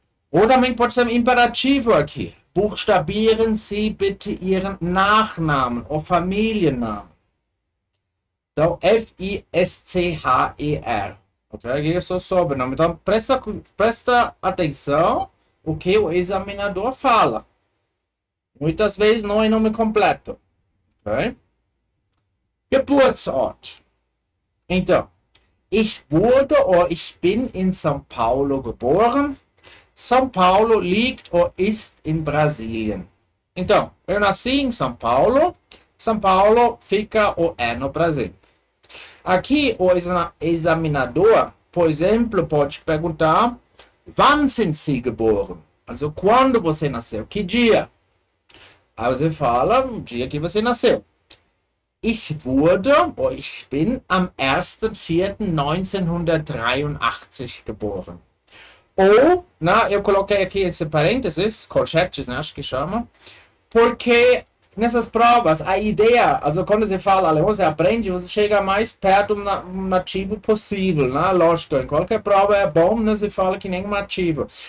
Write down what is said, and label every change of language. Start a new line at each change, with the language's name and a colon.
Portuguese: Ou também pode ser um imperativo aqui.
German: Buchstabieren Sie bitte Ihren Nachnamen
Portuguese: ou
German: Familiennamen.
Portuguese: Então, Fischer. Ok? Aqui é só sobrenome. Então, presta atenção o que o examinador fala. Muitas vezes não é nome completo. Ok? Geburtsort. Então,
German: ich wurde oder ich bin in São Paulo geboren. São Paulo liegt oder ist in Brasilien.
Portuguese: Então, eu nasci em São Paulo. São Paulo fica ou é no Brasil. Aqui, o examinador, por exemplo, pode perguntar:
German: Wann sind Sie geboren?
Portuguese: Also, quando você nasceu? Que dia? Aí você fala: O dia que você nasceu.
German: Ich wurde, oder ich bin am 1.4.1983 geboren.
Portuguese: Ou, na, eu coloquei aqui esse parênteses, colchetes, né, acho que chama, porque nessas provas a ideia, also quando você fala alemão, você aprende, você chega mais perto do nativo possível, né? Lógico, em qualquer prova é bom, né, você fala que nem um nativo.